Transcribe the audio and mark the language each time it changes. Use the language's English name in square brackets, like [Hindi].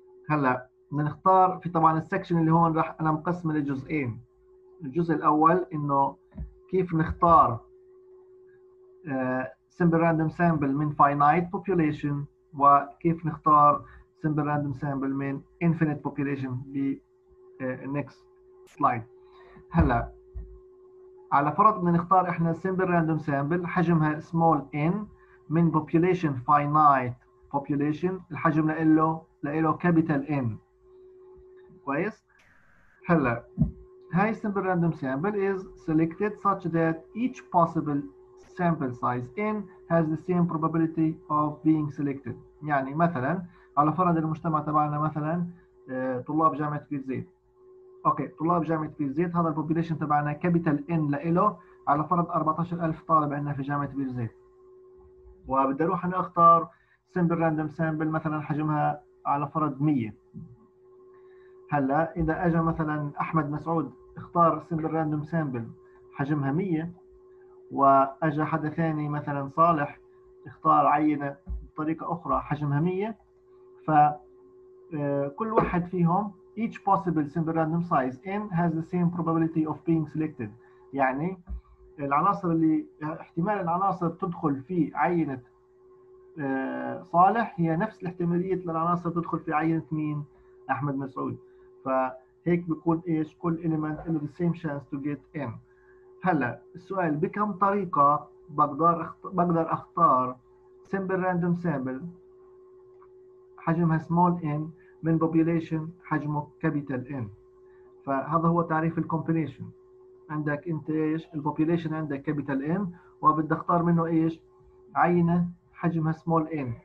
[Arabic] هلا بنختار في طبعا السكشن اللي هون راح انا مقسم لجزئين. الجزء الاول انه كيف نختار simple random sample من finite population وكيف نختار simple random sample من infinite population ب next slide. هلا على فرض بدنا نختار احنا simple random sample حجمها small n من population finite population الحجم له capital N. كويس؟ هلا هاي [English] simple random sample is selected such that each possible sample size N has the same probability of being selected. [Arabic] يعني مثلا على فرض المجتمع تبعنا مثلا طلاب جامعة بيت زيت. اوكي طلاب جامعة بيت زيت هذا البوبيليشن تبعنا كابيتال ان لإله على فرض 14,000 طالب عندنا في جامعة بيت زيت. وبدي اروح انا اختار سمبل راندوم سامبل مثلا حجمها على فرض 100. هلا اذا اجى مثلا احمد مسعود اختار سمبل راندوم سامبل حجمها 100 واجى حدا ثاني مثلا صالح اختار عينه بطريقه اخرى حجمها 100 ف كل واحد فيهم [English] each possible simple random size n has the same probability of being selected. [Arabic] يعني العناصر اللي احتمال العناصر تدخل في عينة صالح هي نفس الاحتمالية للعناصر تدخل في عينة مين؟ أحمد مسعود. فهيك بيكون ايش؟ كل element له [English] the same chance to get M. [Arabic] هلا السؤال بكم طريقة بقدر اختار simple random sample حجمها small n من population حجمه capital N؟ فهذا هو تعريف الكومبينيشن. عندك انت ايش البوبيليشن عندك كابيتال ان وبدي اختار منه ايش عينه حجمها سمول ان.